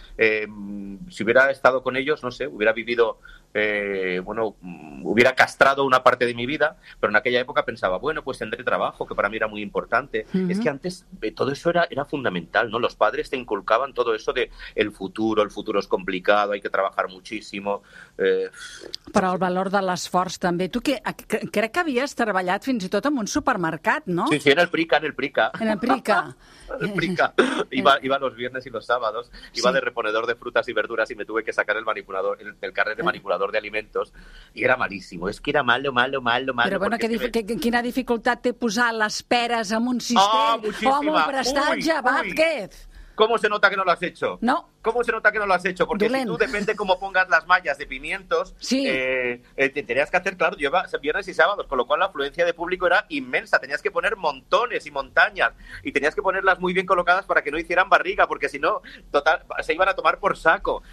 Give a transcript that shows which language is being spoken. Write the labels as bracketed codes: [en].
[es] Si hubiera estado con ellos, no sé, hubiera vivido, hubiera castrado una parte de mi vida, pero en aquella época pensaba, bueno, pues tendré trabajo, que para mí era muy importante. Uh-huh. Es que antes todo eso era fundamental, ¿no? Los padres te inculcaban todo eso de el futuro es complicado, hay que trabajar muchísimo. [ca] Però el valor de l'esforç també. Tu crec que havies treballat fins i tot en un supermercat, no? [es] Sí, en el Prica. En el Prica. Iba los viernes y los sábados, iba sí. De reponedor de frutas y verduras y me tuve que sacar el carnet de manipulador de alimentos y era malísimo, es que era malo. [ca] Però bueno, quina dificultat té posar les peres en un cistell o en un prestatge, Vázquez? [es] ¿Cómo se nota que no lo has hecho? No. ¿Cómo se nota que no lo has hecho? Porque Dulent. Si tú, depende cómo pongas las mallas de pimientos, sí. Te tenías que hacer, claro, llevaba viernes y sábados, con lo cual la afluencia de público era inmensa. Tenías que poner montones y montañas y tenías que ponerlas muy bien colocadas para que no hicieran barriga, porque si no, total, se iban a tomar por saco.